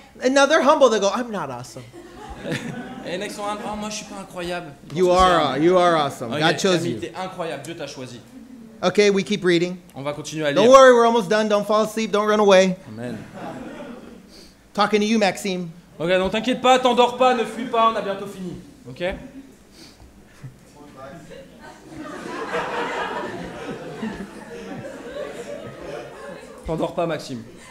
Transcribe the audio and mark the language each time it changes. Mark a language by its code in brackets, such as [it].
[en] And now they're humble, they go, I'm not awesome. [fr] Et les mecs sont humbles, oh, moi je suis pas incroyable. [en] You are awesome. Okay, God chose you. [fr] T'es incroyable, Dieu t'a choisi. [en] Okay, we keep reading. [fr] On va continuer à lire. [en] Don't worry, we're almost done. Don't fall asleep, don't run away. Amen. Talking to you, Maxime. [fr] Okay, donc t'inquiète pas, t'endors pas, ne fuis pas, on a bientôt fini. Okay? T'endors pas, Maxime.